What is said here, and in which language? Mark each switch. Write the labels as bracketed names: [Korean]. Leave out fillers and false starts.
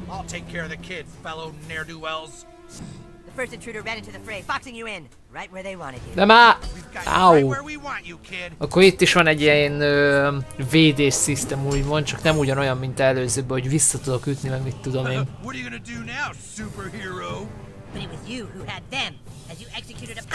[English] Take care of the kid, fellow ne'er-do-wells. The first intruder ran into the fray, boxing you in, right where they wanted you. [Hungarian] De már! Áú! Akkor itt is van egy ilyen védés szisztem úgymond, csak nem ugyanolyan, mint előzőben, hogy vissza tudok ütni, meg mit tudom én. [English] What are you gonna do now, superhero? But it was you who had them, as you executed a